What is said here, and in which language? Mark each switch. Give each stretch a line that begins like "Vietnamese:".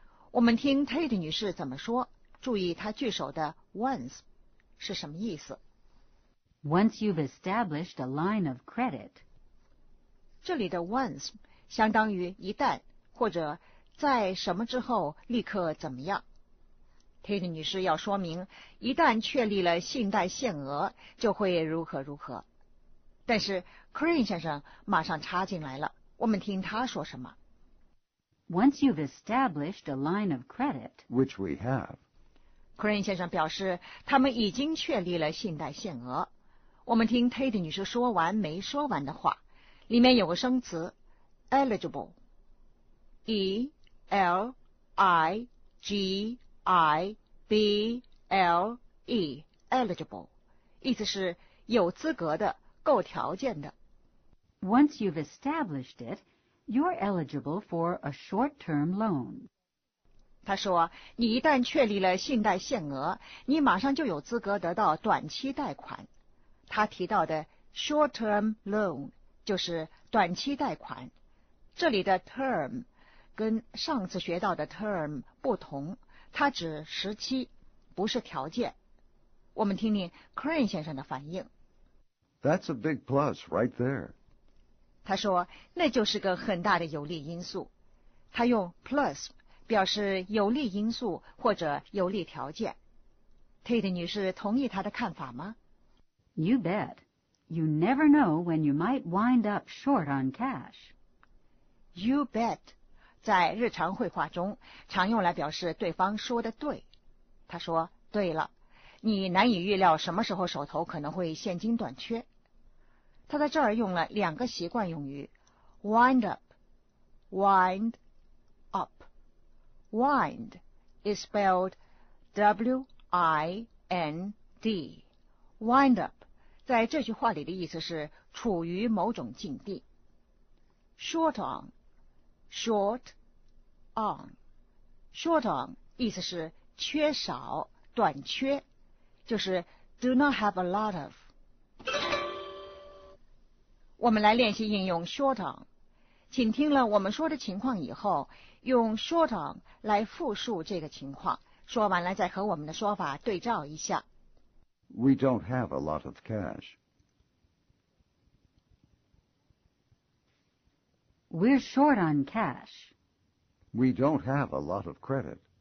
Chinese: 我们听 Tate 女士怎么说。注意它句首的 once 是什么意思
English: ？Once you've established a line of credit，
Chinese: 这里的 once 相当于一旦或者在什么之后立刻怎么样。 Tate 女士要说明，一旦确立了信贷限额，就会如何如何。但是 Crane 先生马上插进来了，我们听他说什么
English: ？Once you've established a line of credit， which we have。
Chinese: Crane 先生表示，他们已经确立了信贷限额。我们听 Tate 女士说完没说完的话，里面有个生词 ，eligible，e l I g I b l e，eligible， 意思是有资格的，够条件的。
English: Once you've established it, you're eligible for a short-term loan.
Chinese: 他说，你一旦确立了信贷限额，你马上就有资格得到短期贷款。他提到的 short-term loan 就是短期贷款。这里的 term 跟上次学到的 term 不同，它指时期，不是条件。我们听听 Crane 先生的反应。
English: That's a big plus right there.
Chinese: 他说，那就是个很大的有利因素。他用 plus。表示有利因素或者有利条件。 Tate 女士同意她的看法吗
English: ？You bet. You never know when you might wind up short on cash. You bet.
Chinese: 在日常会话中常用来表示对方说的对。她说对了，你难以预料什么时候手头可能会现金短缺。她在这儿用了两个习惯用语 ：wind up, wind up。
English: Wind is spelled W-I-N-D.
Chinese: Wind up 在这句话里的意思是处于某种境地。 Short on, short on, short on 意思是缺少、短缺，就是
English: do not have a lot of.
Chinese: 我们来练习应用 short on， 请听了我们说的情况以后。用 short on 来复述这个情况，说完了再和我们的说法对照一下。
English: We don't have a lot of cash. We're short on cash. We don't have a lot of credit.